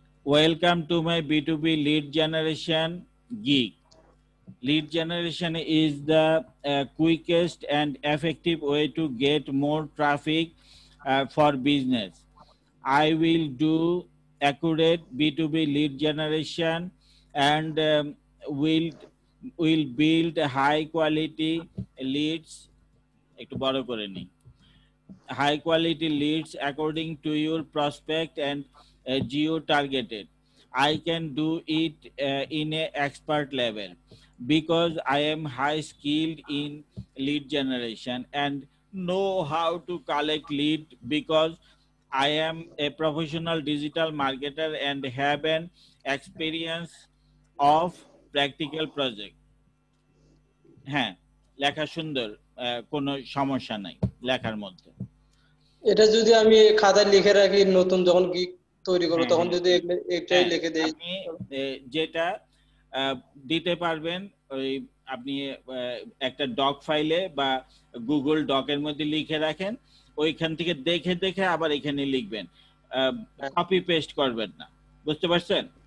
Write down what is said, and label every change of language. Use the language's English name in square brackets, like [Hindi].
[English] Welcome to my বিটুবি lead generation gig. Lead generation is the quickest and effective way to get more traffic for business. I will do accurate B2B lead generation and will build high quality leads. [Bangla] একটু বড় করে নি, [English] high quality leads according to your prospect and geo targeted. I can do it in a expert level because I am high skilled in lead generation and know how to collect lead because I am a professional digital marketer and have an experience of practical project. [Bangla] হ্যাঁ লেখা সুন্দর, কোনো সমস্যা নাই লেখার মধ্যে। এটা যদি আমি খাতায় লিখে রাখি নতুন যখন গিগ তৈরি করব তখন যদি এটাই লিখে দেই, আপনি যেটা দিতে পারবেন ওই আপনি একটা ডক ফাইলে বা গুগল ডক এর মধ্যে লিখে রাখেন, ওইখান থেকে দেখে দেখে আবার এখানে লিখবেন, কপি পেস্ট করবেন না, বুঝতে পারছেন?